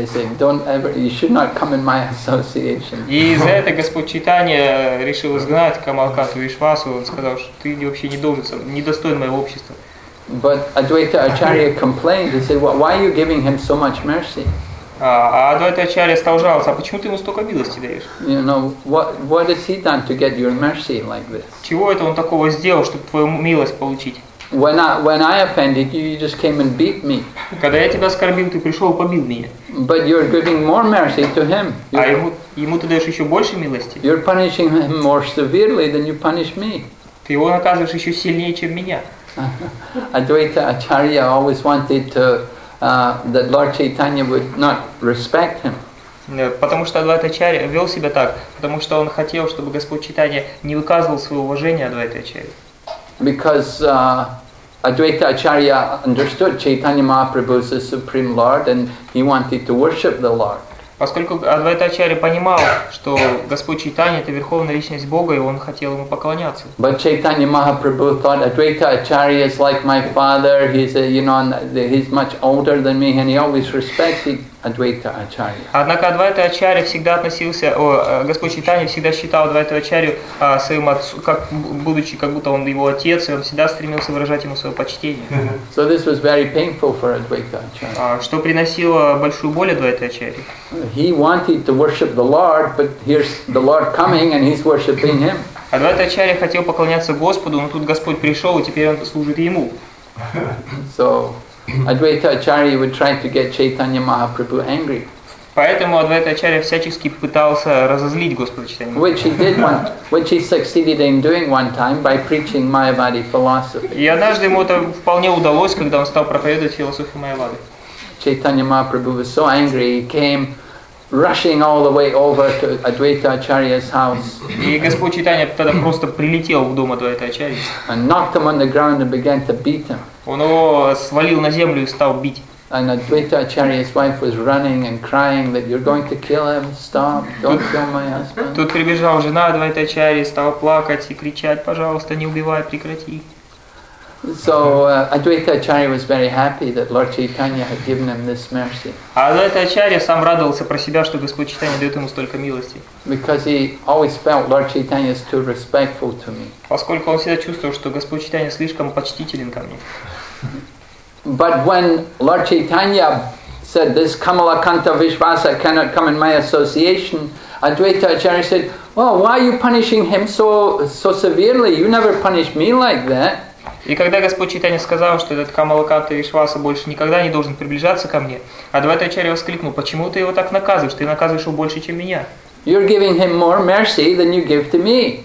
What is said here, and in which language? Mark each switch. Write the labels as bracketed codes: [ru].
[en] He said, "Don't ever, you should not come in my association." [ru] И из-за этого Господь Чайтанья решил изгнать Камалаканту Вишвасу. Он сказал, что ты вообще не должен, недостоин моего общества. [en] But Advaita Acharya complained. He said, "Why are you giving him so much mercy?" [ru] А Адвайта Ачарья стал жаловаться, а почему ты ему столько милости даешь? [en] You know, what has he done to get your mercy like this? [ru] Чего это он такого сделал, чтобы твою милость получить? [en] When I offended you, you just came and beat me. [ru] Когда я тебя оскорбил, ты пришел и побил меня. [en] But you're giving more mercy to him. [ru] А ему ты даешь еще больше милости? [en] You're punishing him more severely than you punish me. [ru] Ты его наказываешь еще сильнее, чем меня. [en] Адвайта Ачарья always wanted to that Lord Chaitanya would not respect him. [ru] Потому что Адвайта Ачарья вел себя так, потому что он хотел, чтобы Господь Чайтанья не выказывал свое уважение Адвайта Ачарья. [en] Because Advaita Acharya understood Chaitanya Mahaprabhu is the supreme Lord, and he wanted to worship the Lord. [ru] Поскольку Адвайта Ачарья понимал, что Господь Чайтанья это верховная личность Бога, и он хотел ему поклоняться. [en] But Chaitanya Mahaprabhu thought Advaita Acharya is like my father. He's much older than me, and he always respected Advaita Acharya. [ru] Однако Адвайта Ачарья всегда относился, Господь Чайтанья всегда считал Адвайта Ачарью своим отцом, как будучи как будто он его отец, и он всегда стремился выражать ему свое почтение. [en] So this was very painful for Advaita Acharya. [ru] Что приносило большую боль Адвайта Ачарье. [en] He wanted to worship the Lord, but here's the Lord coming, and he's worshiping him. [ru] Адвайта Ачарья хотел поклоняться Господу, но тут Господь пришел, и теперь он служит ему. [en] So Advaita Acharya would try to get Chaitanya Mahaprabhu angry. [ru] Поэтому Адвайта Ачарья всячески пытался разозлить Господа Чайтанью. [en] Which he succeeded in doing one time by preaching Mayavadi philosophy. [ru] И однажды ему это вполне удалось, когда он стал проповедовать философию Майявады. [en] Chaitanya Mahaprabhu was so angry, he came rushing all the way over to Advaita Acharya's house. [ru] И Господь Чайтанья тогда просто прилетел в дом Адвайта Ачарьи. [en] And knocked him on the ground and began to beat him. [ru] Он его свалил на землю и стал бить. [en] And Advaita Acharya's wife was running and crying that you're going to kill him, stop, don't kill my husband. [ru] Тут прибежала жена Адвайта Ачарьи, стала плакать и кричать, пожалуйста, не убивай, прекрати. [en] So Advaita Acharya was very happy that Lord Chaitanya had given him this mercy. [ru] А Адвайта Ачарья сам радовался про себя, что Господь Чайтанья дает ему столько милости. [en] Because he always felt Lord Chaitanya is too respectful to me. [ru] Поскольку он всегда чувствовал, что Господь Чайтанья слишком почтителен ко мне. [en] But when Lord Chaitanya said this Kamalakanta Vishvasa cannot come in my association, Advaita Acharya said, "Oh, why are you punishing him so severely? You never punished me like that." [ru] И когда Господь Чайтанья сказал, что этот Камалаканта Вишваса больше никогда не должен приближаться ко мне, Адвайта Ачарья воскликнул, почему ты его так наказываешь? Ты наказываешь его больше, чем меня. [en] You're giving him more mercy than you give to me.